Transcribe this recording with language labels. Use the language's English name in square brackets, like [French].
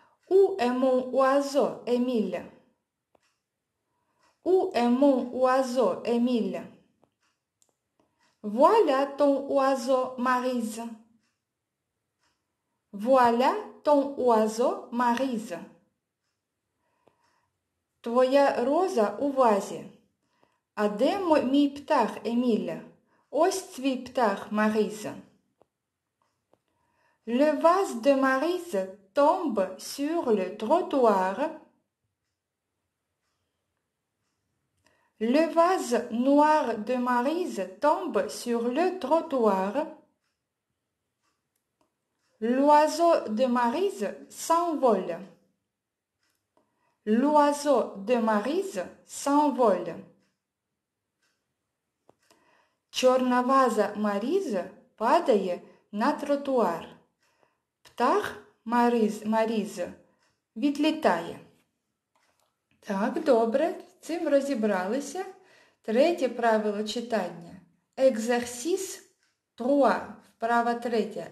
[French] Où est mon oiseau, Еміля? Où est mon oiseau, Emile? Voilà ton oiseau, Marise. Voilà ton oiseau, Marise. [Ukrainian] Твоя роза у вазі. А де мій птах, Emile? Ось твій птах, Marise. [French] Le vase de Marise tombe sur le trottoir. Le vase noir de Marise tombe sur le trottoir. L'oiseau de Marise s'envole. L'oiseau de Marise s'envole. [Ukrainian] Чорна ваза Марізи падає на тротуар. Птах Марізо, відлітає. Так, добре, цим розібралися. Третє правило читання. Екзерсіс труа. Вправа третя.